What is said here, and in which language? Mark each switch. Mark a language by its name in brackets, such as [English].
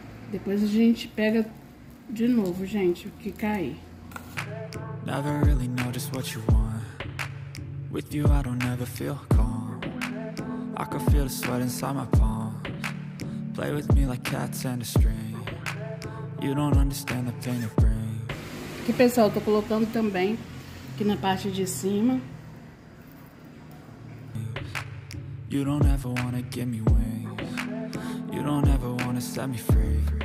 [Portuguese] Depois a gente pega de novo, gente, o que cair. [English] Never really know just what you want. With you I don't ever feel calm. I can feel the sweat inside my palms. Play with me like cats and a string. You don't understand the pain of brain. [Portuguese] Aqui, pessoal, eu tô colocando também aqui na parte de cima. [English] You don't ever wanna give me wings. You don't ever wanna set me free.